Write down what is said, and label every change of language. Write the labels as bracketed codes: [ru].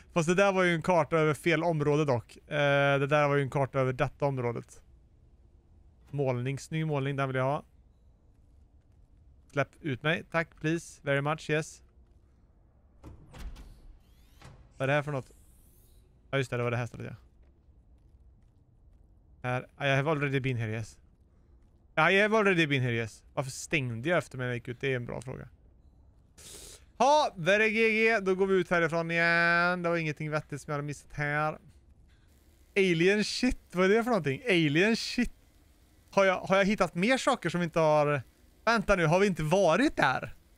[sv] Fast det där var ju en karta över fel område dock. Det där var ju en karta över detta området. Målning, snygg målning, den vill jag ha. Släpp ut mig. Tack, [en] please. Very much, yes. [sv] Vad är det här för något? Ja, just det. Det var det här stället, ja. Här. [en] I have already been here, yes. I have already been here, yes. [sv] Varför stängde jag efter mig när jag gick ut? Det är en bra fråga. Ja, där är GG. Då går vi ut härifrån igen. Det var ingenting vettigt som jag hade missat här. [en] Alien shit. [sv] Vad är det för någonting? Alien shit. Har jag hittat mer saker som inte har... Vänta nu, har vi inte varit där?